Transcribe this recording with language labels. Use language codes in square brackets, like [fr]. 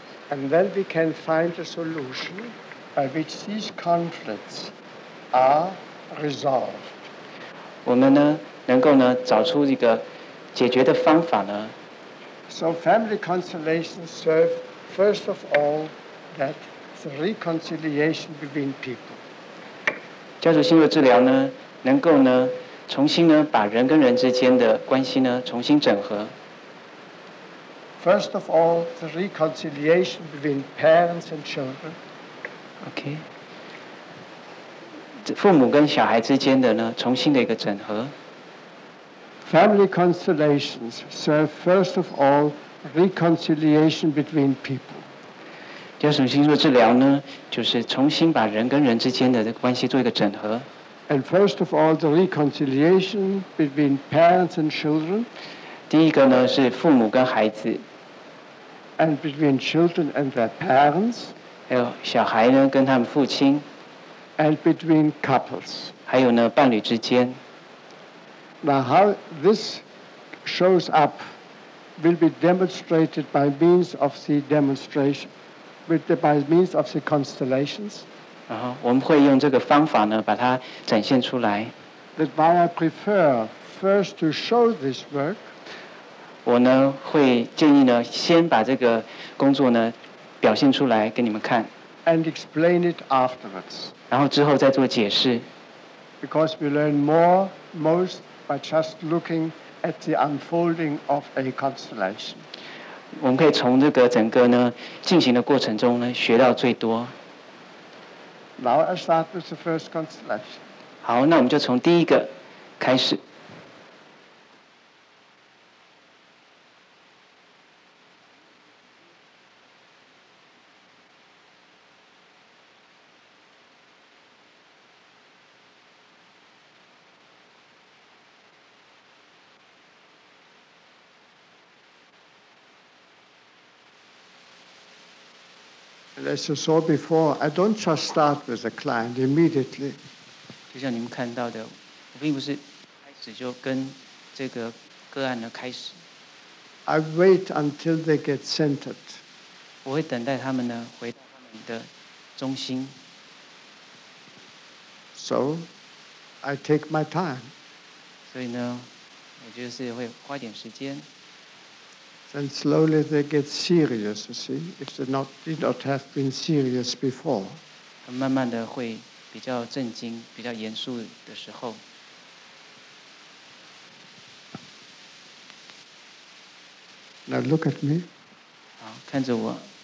[en] And then we can find a solution by which these conflicts. Are resolved. [zh] 我们呢，能够呢，找出一个解决的方法呢。 [en] So family constellations serve first of all that the reconciliation between people. [zh] 家族星座治疗呢，能够呢，重新呢，把人跟人之间的关系呢，重新整合。 [en] First of all, the reconciliation between parents and children. Okay. [zh] 父母跟小孩之间的呢，重新的一个整合。 [en] Family constellations serve first of all reconciliation between people. [zh] 家属星座治疗呢，就是重新把人跟人之间的关系做一个整合。 [en] And first of all, the reconciliation between parents and children. [zh] 第一个呢是父母跟孩子。 [en] And between children and their parents. [zh] 还有小孩呢跟他们父亲。 [en] And between couples, [zh] 还有呢，伴侣之间。 [en] Now how this shows up will be demonstrated by means of the demonstration, with the by means of the constellations. [zh] 然后我们会用这个方法呢，把它展现出来。 [en] That why I prefer first to show this work. [zh] 我呢会建议呢先把这个工作呢表现出来给你们看。 [en] And explain it afterwards. [zh] 然后之后再做解释。 [en] Because we learn more most by just looking at the unfolding of a constellation. [zh] 我们可以从这个整个呢进行的过程中呢学到最多。 [en] Now I start with the first constellation. [zh] 好，那我们就从第一个开始。 [en] As you saw before, I don't just start with a client immediately. [zh] 就像你们看到的，我并不是开始就跟这个个案呢开始。 [en] I wait until they get centered. [zh] 我会等待他们呢回到他们的中心。 [en] So, I take my time. [zh] 所以呢，我就是会花点时间。 [en] And slowly they get serious, you see, if they not, did not have been serious before. [zh] 他慢慢的会比较震惊，比较严肃的时候。 [en] Now look at me. [zh] 好，看着我。